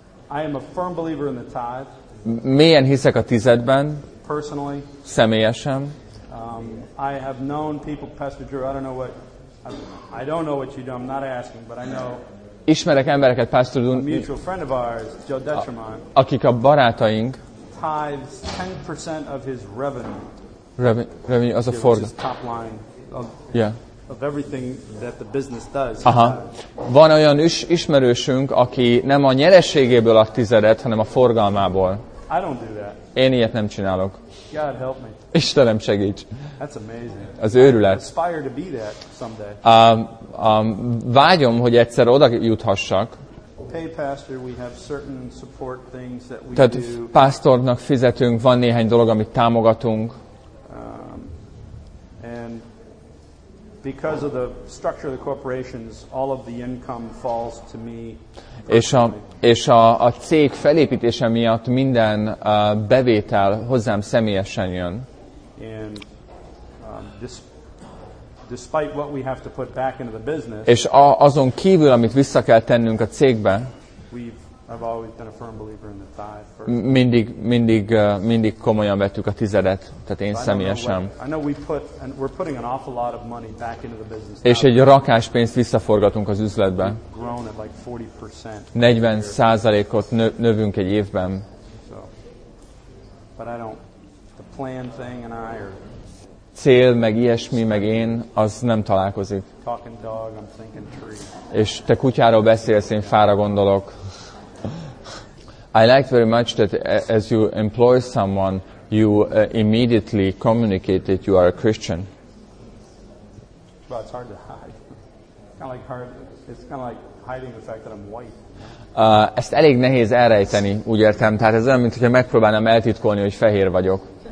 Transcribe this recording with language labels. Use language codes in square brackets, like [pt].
[en] I am a firm believer in the tithe. [hu] Mélyen hiszek a tizedben. [en] Personally. [hu] Személyesen. [en] I have known people, Pastor Drew. I don't know what you do. I'm not asking, but I know. [hu] Ismerek embereket, Pastor Drew. [en] A mutual friend of ours, Joe Detremont. [hu] Akik a barátaink. [en] Tithes 10% of his revenue. [hu] Revenue az a forgalom. [en] Top line. Of everything that the business does. Aha. [hu] Van olyan ismerősünk, aki nem a nyereségéből ad tizedet, hanem a forgalmából. [en] I don't do that. [hu] Én ilyet nem csinálok. [en] God help me. [hu] Istenem segíts. [en] That's amazing. [hu] Az őrület. [en] I aspire to be that someday. [hu] Vágyom, hogy egyszer oda juthassak. [en] Hey, pastor, we have certain support things that we [hu] Tehát [en] do. [hu] Pásztornak fizetünk, van néhány dolog, amit támogatunk. [en] Because of the structure of the corporations, all of the income falls to me. [hu] És a cég felépítése miatt minden bevétel hozzám személyesen jön. [en] And despite what we have to put back into the business. [hu] És azon kívül, amit vissza kell tennünk a cégbe. [en] I've always been a firm believer in the tithe. [hu] Mindig komolyan vettük a tizedet, tehát én személyesen. [en] I know we're putting an awful lot of money back into the business. [hu] És egy rakás pénzt visszaforgatunk az üzletbe. 40%-ot növünk egy évben. [en] But I don't. The plan thing and I are. [hu] Cél, meg ilyesmi, meg én, az nem találkozik. [en] Talking dog, I'm thinking tree. [hu] És te kutyáról beszélsz, én fára gondolok. [en] I liked very much that as you employ someone, you immediately communicate that you are a Christian. Well, it's hard to hide. It's kind of like hiding the fact that I'm white. [hu] Ezt elég nehéz elrejteni, úgy értem. Tehát ez olyan, mintha megpróbálnám eltitkolni, hogy fehér vagyok.